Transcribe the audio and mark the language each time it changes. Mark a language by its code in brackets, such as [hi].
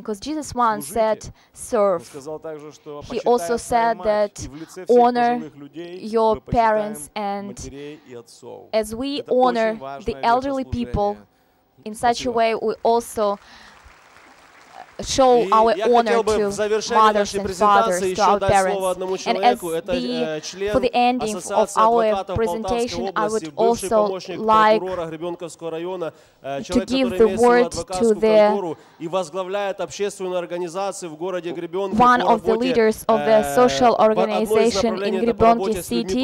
[en] Because Jesus once said, serve. He also said that honor your parents, and as we honor the elderly people in such a way, we also show our honor to mothers and fathers, to our parents. And for the ending of our presentation, I would also like to give the word to the [ru] и возглавляет общественную организацию в городе Гребенке. [en] One of the leaders of the social organization in Gribonki City.